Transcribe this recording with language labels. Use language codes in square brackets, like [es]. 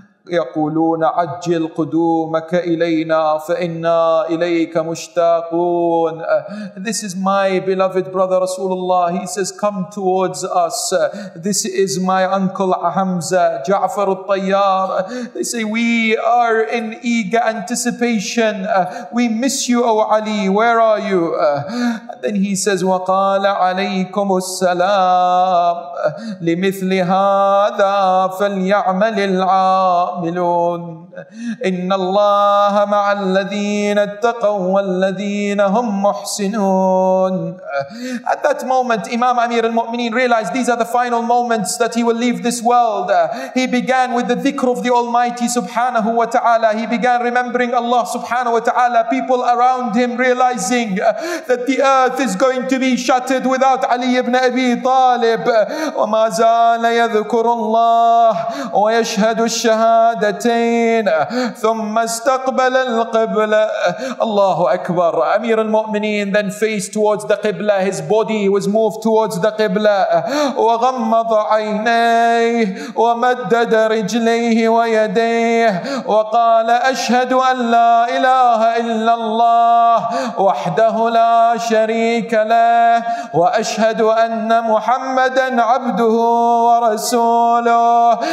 [ar] يقولون عجل قدومك إلينا فإنا إليك مشتاقون. [en] This is my beloved brother Rasulullah. He says, come towards us. This is my uncle Hamza, Ja'far al-Tayyar. They say, we are in eager anticipation. We miss you, O Ali. Where are you? Then he says, [ar] وقال عليكم السلام لمثل هذا فليعمل العام. إن الله مع الذين اتقوا والذين هم محسنون. [en] At that moment, Imam Amir al-Mu'mineen realized these are the final moments that he will leave this world. He began with the dhikr of the Almighty subhanahu wa ta'ala. He began remembering Allah subhanahu wa ta'ala. People around him realizing that the earth is going to be shattered without Ali ibn Abi Talib. [ar] وما زال يذكر الله ويشهد الشهادة. ثم استقبل القبلة. الله أكبر. [en] أمير المؤمنين then faced towards the Qibla. His body was moved towards the Qibla. [ar] وغمض عينيه ومدد رجليه ويديه وقال أشهد أن لا إله إلا الله وحده لا شريك له وأشهد أن محمدا عبده ورسوله.